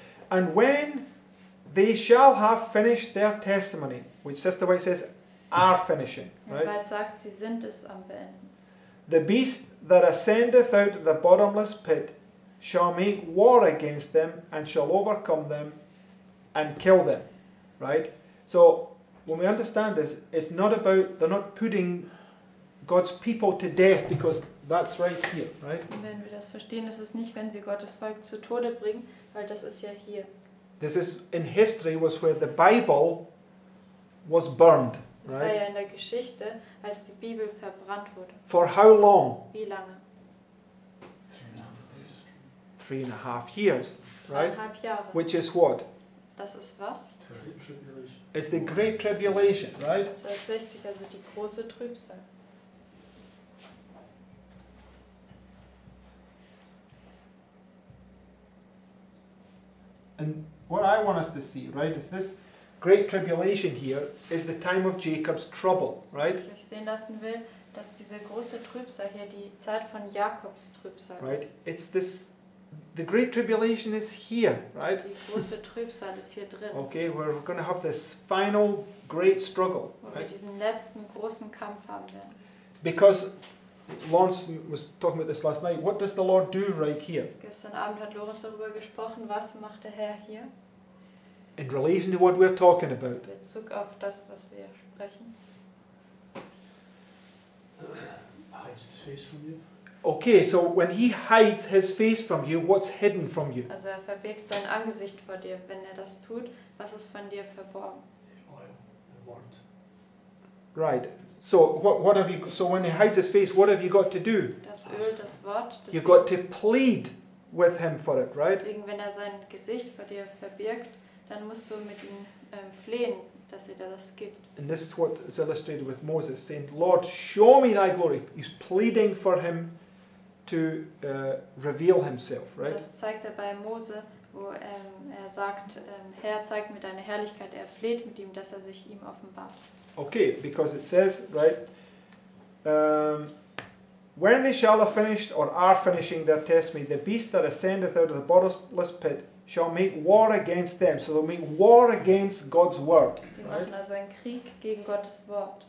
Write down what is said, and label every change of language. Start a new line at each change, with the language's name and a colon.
English: And when they shall have finished their testimony, which Sister White says, are finishing, right?
German: Und bald sagt, sie sind es am Beenden.
English: The beast that ascendeth out of the bottomless pit shall make war against them and shall overcome them and kill them, right? So, when we understand this, it's not about, they're not putting God's people to death, because that's right here, right?
German: Wenn wir das verstehen, das ist nicht, wenn sie Gottes Volk zu Tode bringen, weil das ist ja hier.
English: This is in history was where the Bible was burned, right?
German: Das war ja in der Geschichte, als die Bibel verbrannt wurde.
English: For how long?
German: Wie lange?
English: 3.5 years, right?
German: 3.5 Jahre.
English: Which is what?
German: Das ist was?
English: It's the Great Tribulation, right?
German: 1960, also die große Trübsal.
English: And what I want us to see, right, is this great tribulation here is the time of Jacob's trouble, right?
German: Ich sehen lassen will, dass diese große Trübsal hier die Zeit von Jakobs Trübsal ist.
English: Right? It's this, the great tribulation is here, right?
German: Die große Trübsal ist hier drin.
English: Okay, we're going to have this final great struggle.
German: Wo wir diesen letzten großen Kampf haben werden.
English: Because Lawrence was talking about this last night. What does the Lord do right here?
German: Gestern Abend hat Lawrence darüber gesprochen. Was macht der Herr hier?
English: In relation to what we're talking about.
German: In Bezug auf das, was wir sprechen.
English: Hides his face from you. Okay, so when he hides his face from you, what's hidden from you?
German: Also er verbirgt sein Angesicht vor dir. Wenn er das tut, was ist von dir verborgen?
English: Right. So what have you, so when he hides his face, what have you got to do?
German: Das Öl, das Wort, deswegen,
English: you've got to plead with him for it, right?
German: Deswegen, wenn er sein Gesicht vor dir verbirgt, dann musst du mit ihm flehen, dass er dir das gibt.
English: And this is what is illustrated with Moses saying, Lord, show me thy glory. He's pleading for him to reveal himself, right?
German: Das zeigt er bei Mose, wo er sagt, Herr, zeig mir deine Herrlichkeit. Er fleht mit ihm, dass er sich ihm offenbart.
English: Okay, because it says, right, when they shall have finished or are finishing their testimony, the beast that ascendeth out of the bottomless pit shall make war against them. So they'll make war against God's word. Right?
German: Also einen Krieg gegen Gottes Wort.